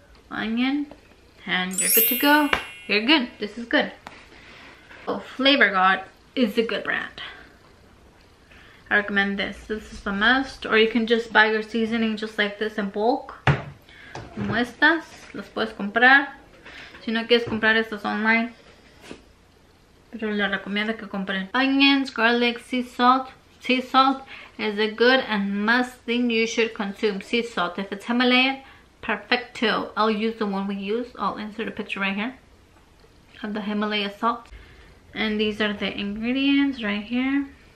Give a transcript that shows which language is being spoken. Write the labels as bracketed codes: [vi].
[en] Onion, and you're good to go. You're good. This is good. Oh, Flavor God is a good brand. I recommend this. This is the must. Or you can just buy your seasoning just like this in bulk. [es] Como estas, las puedes comprar. Si no quieres comprar estas online, pero le recomiendo que compren. [en] Onions, garlic, sea salt. Sea salt is a good and must thing you should consume. Sea salt. If it's Himalayan, perfecto. I'll use the one we use. I'll insert a picture right here of the Himalaya salt. And these are the ingredients right here.